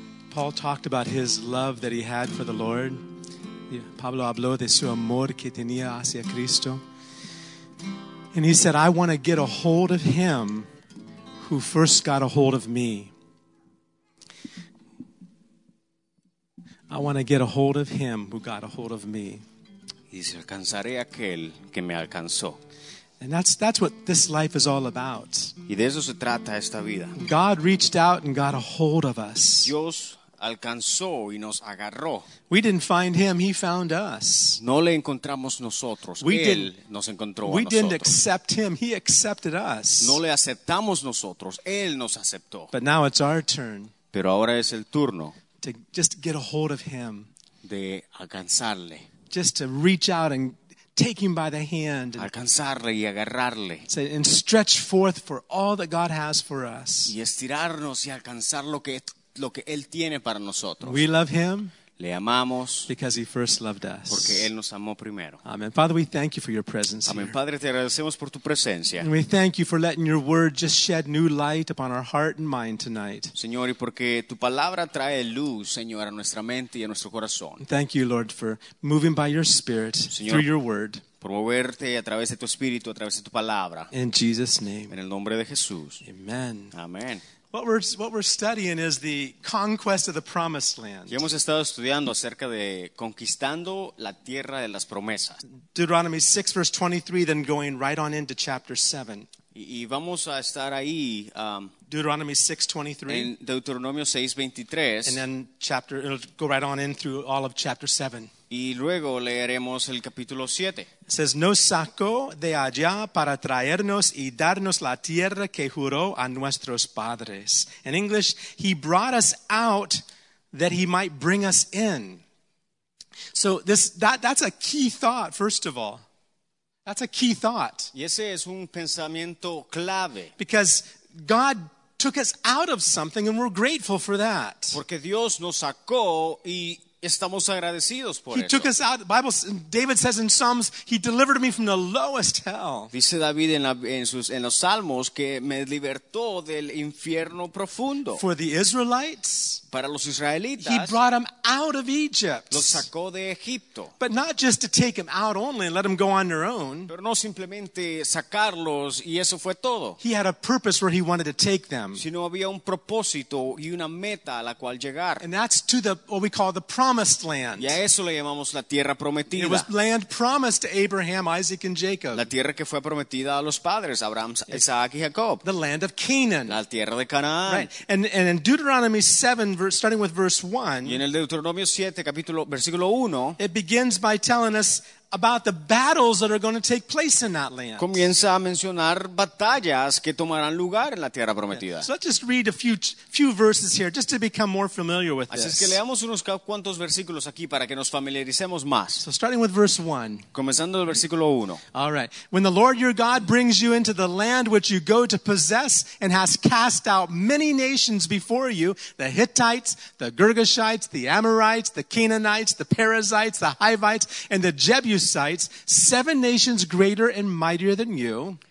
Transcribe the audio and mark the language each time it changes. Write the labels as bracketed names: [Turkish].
[English] Paul talked about his love that he had for the Lord. [Spanish] Pablo habló de su amor que tenía hacia Cristo. [English] And he said, I want to get a hold of him who first got a hold of me. I want to get a hold of him who got a hold of me. [Spanish] Y si alcanzaré aquel que me alcanzó. [English] And that's what this life is all about. [Spanish] Y de eso se trata esta vida. [English] God reached out and got a hold of us. [Spanish] Dios alcanzó y nos agarró. [English] We didn't find him, he found us. [Spanish] No le encontramos nosotros. Él nos encontró a nosotros. [English] We didn't accept him, he accepted us. [Spanish] No le aceptamos nosotros, él nos aceptó. [English] But now it's our turn. [Spanish] Pero ahora es el turno. [English] To just get a hold of him. [Spanish] De alcanzarle. [English] Just to reach out and take him by the hand and, [Spanish] alcanzarle y agarrarle. [English] Say, and stretch forth for all that God has for us. [Spanish] Y estirarnos y alcanzar lo que él tiene para nosotros. [English] We love him. [Spanish] Le amamos [English] because he first loved us. [Spanish] Porque él nos amó primero. [English] Amen. Father, we thank you for your presence. Amen. Here. [Spanish] Padre, te agradecemos por tu presencia. [English] And we thank you for letting your word just shed new light upon our heart and mind tonight. [Spanish] Señor, y porque tu palabra trae luz, Señor, a nuestra mente y a nuestro corazón. [English] Thank you, Lord, for moving by your spirit, [Spanish] Señor, [English] through your word. [Spanish] Por moverte a través de tu espíritu, a través de tu palabra. [English] In Jesus' name. [Spanish] En el nombre de Jesús. [English] Amen. Amen. What we're studying is the conquest of the promised land. [Spanish] Y hemos estado estudiando acerca de conquistando la tierra de las promesas. [English] Deuteronomy 6 verse 23, then going right on into chapter 7. [Spanish] Y vamos a estar ahí. [English] Deuteronomy 6:23. [Spanish] En Deuteronomio 6:23. [English] And then it'll go right on in through all of chapter 7. [Spanish] Y luego leeremos el capítulo 7. [English] It says, [Spanish] nos sacó de allá para traernos y darnos la tierra que juró a nuestros padres. [English] In English, he brought us out that he might bring us in. So that's a key thought, first of all. That's a key thought. [Spanish] Y ese es un pensamiento clave. [English] Because God took us out of something and we're grateful for that. [Spanish] Porque Dios nos sacó y estamos agradecidos por [English] he [Spanish] eso. [English] Took us out. Bible, David says in Psalms, he delivered me from the lowest hell. [Spanish] Dice David en los Salmos que me libertó del infierno profundo. [English] For the Israelites, [Spanish] para los israelitas, [English] he brought them out of Egypt. [Spanish] Los sacó de Egipto. [English] But not just to take them out only and let them go on their own. [Spanish] Pero no simplemente sacarlos y eso fue todo. [English] He had a purpose where he wanted to take them. [Spanish] Sino había un propósito y una meta a la cual llegar. [English] And that's to the what we call the promised land. [Spanish] Y a eso le llamamos la tierra prometida. [English] It was land promised to Abraham, Isaac, and Jacob. [Spanish] La tierra que fue prometida a los padres, Abraham, Isaac, y Jacob. [English] The land of Canaan. [Spanish] La tierra de Canaán. [English] Right. And in Deuteronomy 7, starting with verse 1, [Spanish] y en el Deuteronomio 7, capítulo, versículo 1, [English] it begins by telling us about the battles that are going to take place in that land. [Spanish] Comienza a mencionar batallas que tomarán lugar en la tierra prometida. [English] So let's just read a few verses here just to become more familiar with this. [Spanish] Así es que leamos unos cuantos versículos aquí para que nos familiaricemos más. [English] So starting with verse 1. [Spanish] Comenzando el versículo 1. [English] All right. When the Lord your God brings you into the land which you go to possess and has cast out many nations before you, the Hittites, the Girgashites, the Amorites, the Canaanites, the Perizzites, the Hivites, and the Jebusites, seven nations greater and mightier than you.